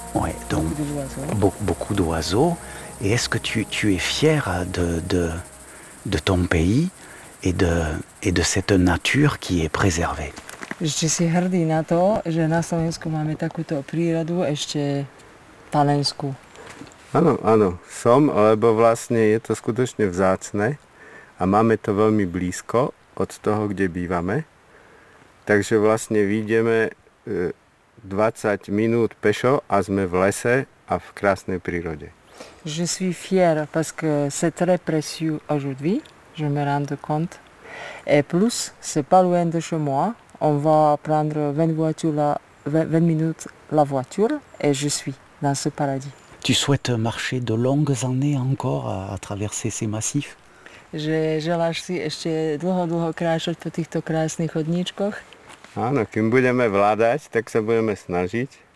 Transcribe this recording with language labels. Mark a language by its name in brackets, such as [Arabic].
[French] Ouais, donc beaucoup d'oiseaux. Et est-ce que tu es fier de ton pays et de cette nature qui est préservée? [Slovak] Ešte si hrdý na to, že na Slovensku máme takúto prírodu, ešte panenskú. Áno, áno, som, lebo vlastne je to skutočne vzácne a máme to veľmi blízko od toho, kde bývame. Takže vlastne vyjdeme 20 minút pešo a sme v lese a v krásnej prírode. [French] Je suis fière parce que c'est très précieux aujourd'hui, je me rends compte. Et plus, c'est pas loin de chez moi. On va prendre 20 minutes la voiture et je suis dans ce paradis. Tu souhaites marcher de longues années encore à traverser ces massifs? [Slovak] Že želáš si ešte dlho, dlho kráčať po týchto krásnych chodníčkoch? Áno, kým budeme vládať, tak sa budeme snažiť.